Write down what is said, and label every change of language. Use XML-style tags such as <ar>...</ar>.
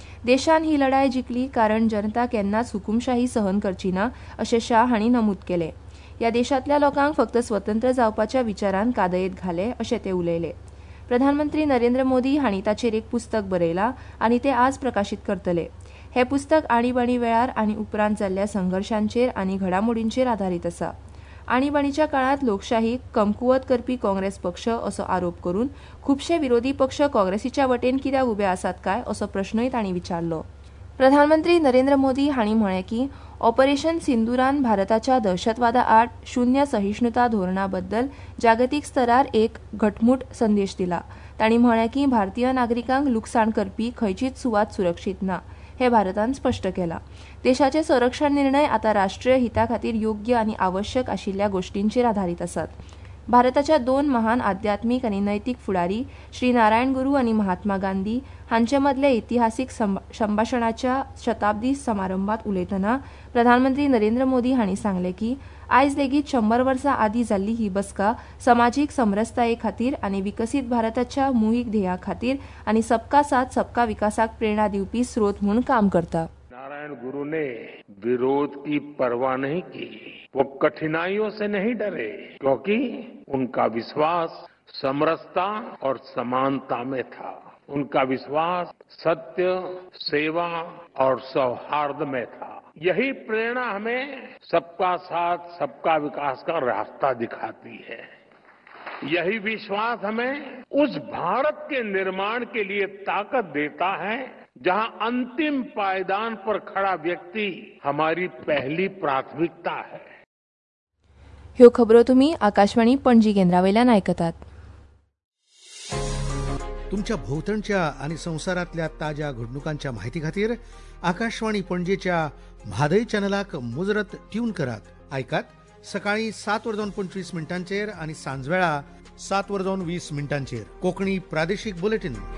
<kok>देशान ही लढाय जिकली कारण जनता केन्नाच हुकुमशाही सहन करची ना अशे शाह हांणी नमूद केले. या देशातल्या लोकांक फक्त स्वतंत्र जावपाच्या विचारान कादयेत घाले अशे ते उलयले. प्रधानमंत्री नरेंद्र मोदी हांणी ताचेर एक पुस्तक बरयला आनी ते आज प्रकाशित करतले. हे पुस्तक आणीबाणी वेळार आनी उपरांत जाल्ल्या संघर्षांचेर आनी घडामोडींचेर आधारित आसा. आणीबाणीच्या काळात लोकशाही कमकुवत करपी काँग्रेस पक्ष असो आरोप करून खुपशे विरोधी पक्ष काँग्रेसीच्या वटेन कित्याक उभे आसात काय असो प्रश्नय ताणी विचारलो. प्रधानमंत्री नरेंद्र मोदी हांणी म्हळें की ऑपरेशन सिंदूरान भारताच्या दहशतवादाआड शून्य सहिष्णुता धोरणाबद्दल जागतिक स्तरार एक घटमूट संदेश दिला. ताणी म्हळें की भारतीय नागरिकांक लुकसाण करपी खंयचीच सुवात सुरक्षित ना हे भारतान स्पष्ट केला. देशाचे संरक्षण निर्णय आता राष्ट्रीय हिता खातीर योग्य आणि आवश्यक आशिल्ल्या गोष्टींचेर आधारित असत. भारताच्या दोन महान आध्यात्मिक आणि नैतिक फुडारी श्री नारायण गुरु आणि महात्मा गांधी हांच्या मधले ऐतिहासिक संभाषणाच्या शताब्दी समारंभात उलयताना प्रधानमंत्री नरेंद्र मोदी हांणी सांगले की आयज लेगीत 100 वर्सां आदी जाल्ली ही बसका समाजीक समरसताये खातीर आणि विकसित भारताच्या मुहीक ध्येया खातीर आणि सबका साथ सबका विकासाक प्रेरणा दिवपी स्रोत म्हणून काम करता.</kok> <hi>नारायण गुरु ने विरोध की परवाह नहीं की, वो कठिनाइयों से नहीं डरे क्योंकि उनका विश्वास समरसता और समानता में था, उनका विश्वास सत्य, सेवा और सौहार्द में था. यही प्रेरणा हमें सबका साथ सबका विकास का रास्ता दिखाती है. यही विश्वास हमें उस भारत के निर्माण के लिए ताकत देता है जहां अंतिम पायदान पर खड़ा व्यक्ति हमारी पहली प्राथमिकता है.</hi> <kok>ह्यो खबरो तुम्ही आकाशवाणी पणजी केंद्रावेल्यान ऐकतात. तुमच्या भोवतणच्या आणि संसारातल्या ताज्या घडणुकांच्या माहिती खातीर आकाशवाणी पणजीच्या म्हादय चॅनलाक मुजरत ट्यून करात. ऐकात सकाळी 7:25 आणि सांजवेळा 7:20 कोकणी प्रादेशिक बुलेटिन.</kok>